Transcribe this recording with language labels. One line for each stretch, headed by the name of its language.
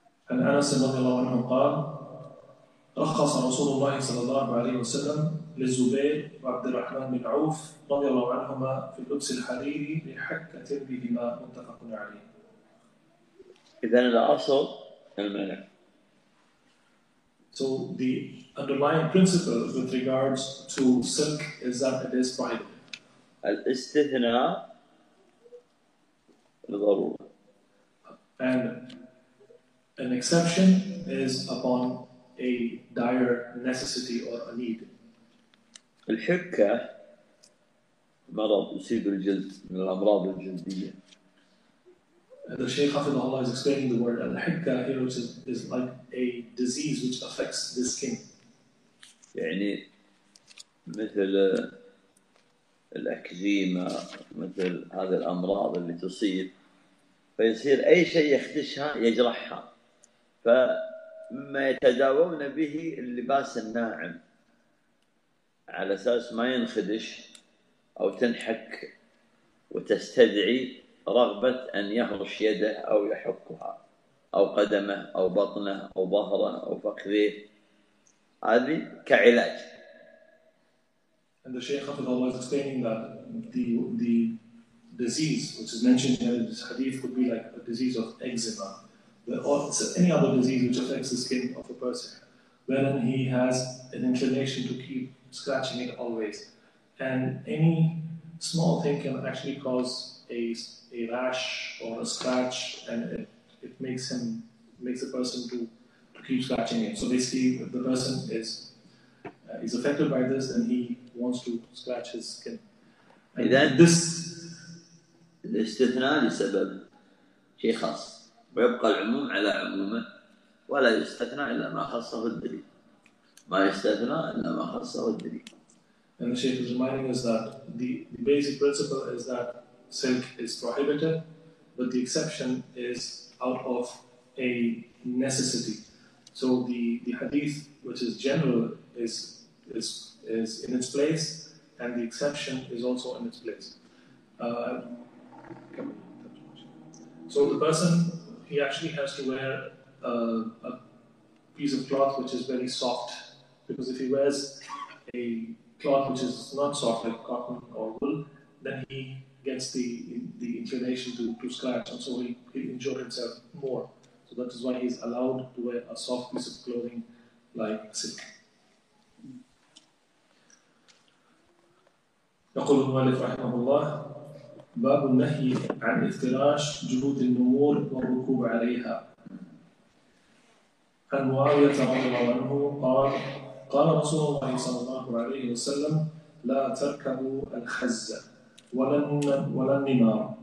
Arabic: عن أنس رضي الله عنه قال رخص رسول الله صلى الله عليه وسلم للزبير وعبد الرحمن بن عوف رضي الله عنهما في لبس الحرير لحكة بهما متفق عليه. إذن الأصل المنع.
English: So the underlying principle with regards to silk is that it is prohibited.
Arabic: الاستثناء الضرورة.
English: And an exception is upon a dire necessity or a need.
Arabic: الحكة مرض يصيب الجلد من الأمراض الجلدية.
English: The Shaykh Hafidh Allah is explaining the word الحكة here, which is like a disease which affects the skin.
Arabic: يعني مثل الأكزيما، مثل هذه الأمراض اللي تصيب، فيصير أي شيء يخدشها يجرحها، فما يتداوون به اللباس الناعم على أساس ما ينخدش أو تنحك وتستدعي رغبة أن يهرش يده أو يحكها أو قدمه أو بطنه أو ظهره أو فخذيه، هذه كعلاج.
English: And the Shaykh of Allah is explaining that the disease which is mentioned here in this hadith could be like a disease of eczema, or any other disease which affects the skin of a person, wherein he has an inclination to keep scratching it always. And any small thing can actually cause a rash or a scratch, and it makes a person to keep scratching it. So basically, if the person is affected by this, and he wants to scratch his skin. And then this
Arabic: الاستثناء لسبب شيء خاص ويبقى العموم على عمومه ولا يستثنى إلا ما خصه الدليل. ما يستثنى إلا ما خصه الدليل.
English: And the Shaykh is reminding us that the basic principle is that silk is prohibited, but the exception is out of a necessity. So the hadith, which is general, is in its place, and the exception is also in its place. So the person, he actually has to wear a piece of cloth which is very soft, because if he wears a cloth which is not soft, like cotton or wool, then he gets the inclination to scratch, and so he injures himself more. So that is why he is allowed to wear a soft piece of clothing like silk.
Arabic: يقول المؤلف رحمه الله باب النهي عن افتراش جلود النمور والركوب عليها. عن معاوية رضي الله عنه قال قال رسول الله صلى الله عليه وسلم لا تركبوا الخز ولا النمار.